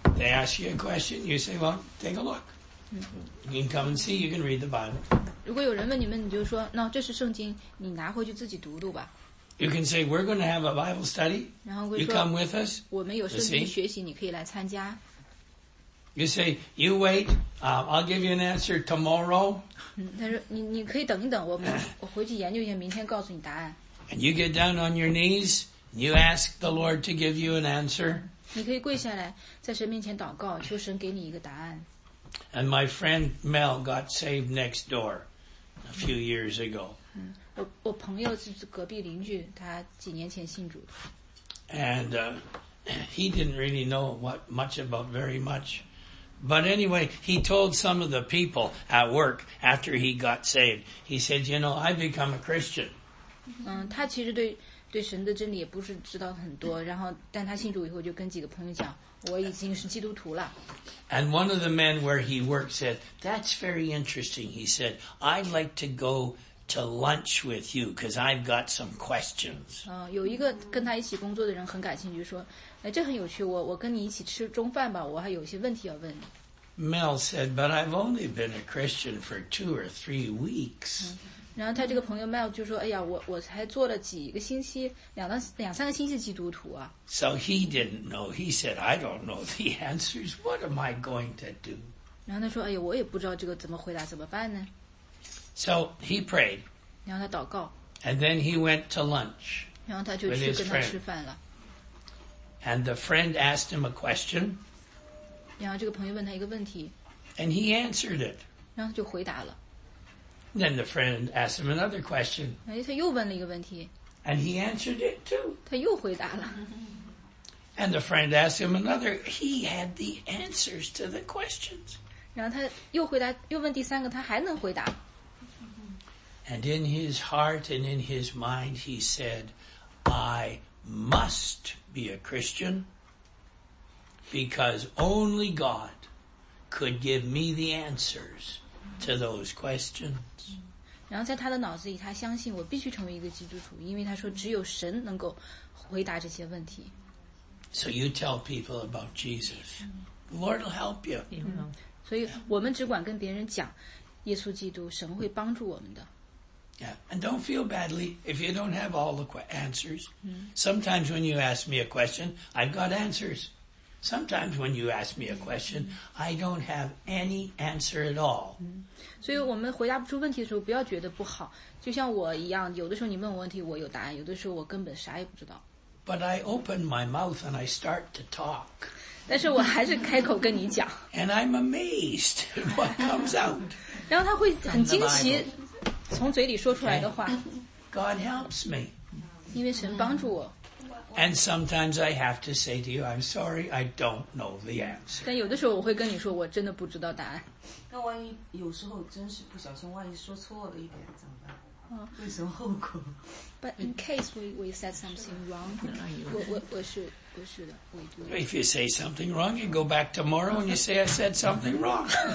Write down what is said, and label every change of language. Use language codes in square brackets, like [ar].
[en] They ask you a question, you say, well, take a look. You can come and see, you can read the Bible. [zh] 如果有人问你们，你就说，那这是圣经，你拿回去自己读读吧。 [en] You can say, we're going to have a Bible study. You come with us. [zh] 我们有圣经学习，你可以来参加。 [en] You say, you wait, I'll give you an answer tomorrow. [zh] 他说你可以等一等，我回去研究一下，明天告诉你答案。 [en] And you get down on your knees, you ask the Lord to give you an answer. [zh] 你可以跪下来，在神面前祷告，求神给你一个答案。 [en] And my friend Mel got saved next door a few years ago. [zh] 我朋友是隔壁邻居，他几年前信主的。 [en] And he didn't really know what much about very much. But anyway, he told some of the people at work after he got saved. He said, you know, I've become a Christian. [zh] 他其实对神的真理也不是知道很多，然后但他信主以后就跟几个朋友讲，我已经是基督徒了。 [en] And one of the men where he worked said, that's very interesting. He said, I'd like to go to lunch with you because I've got some questions. [zh] 有一个跟他一起工作的人很感兴趣说，这很有趣，我跟你一起吃中饭吧，我还有些问题要问你。 [en] Mel said, but I've only been a Christian for 2 or 3 weeks. [zh] 然后他这个朋友 Mel 就说，哎呀，我才做了几个星期，两三个星期基督徒啊。 [en] So he didn't know. He said, I don't know the answers. What am I going to do? [zh] 然后他说，哎呀，我也不知道这个怎么回答，怎么办呢？ [en] So he prayed. [zh] 然后他祷告。 [en] And then he went to lunch. [zh] 然后他就去跟他吃饭了。 [en] And the friend asked him a question. [zh] 然后这个朋友问他一个问题。 [en] And he answered it. [zh] 然后他就回答了。 [en] Then the friend asked him another question. [zh] 然后他又问了一个问题。 [en] And he answered it too. [zh] 他又回答了。 [en] And the friend asked him another. He had the answers to the questions. [zh] 然后他又回答，又问第三个，他还能回答。 [en] And in his heart and in his mind, he said, I must be a Christian because only God could give me the answers to those questions. [zh] 然后在他的脑子里，他相信我必须成为一个基督徒，因为他说只有神能够回答这些问题。 [en] So you tell people about Jesus. The Lord will help you. [zh] 所以我们只管跟别人讲耶稣基督，神会帮助我们的。 [en] Yeah, and don't feel badly if you don't have all the answers. Sometimes when you ask me a question, I've got answers. Sometimes when you ask me a question, I don't have any answer at all. [zh] 所以我们回答不出问题的时候，不要觉得不好。就像我一样，有的时候你问我问题，我有答案；有的时候我根本啥也不知道。 [en] But I open my mouth and I start to talk. [zh] 但是我还是开口跟你讲。 [en] And I'm amazed at what comes out. [zh] 然后他会很惊奇。从嘴里说出来的话。 [en] God helps me. [zh] 因为神帮助我。 [en] And sometimes I have to say to you, I'm sorry, I don't know the answer. [zh] 但有的时候我会跟你说，我真的不知道答案。那万一有时候真是不小心，万一说错了一点怎么办？为什么后果? [en] But in case we said something wrong, we should. If you say something wrong, you go back tomorrow and you say I said something wrong.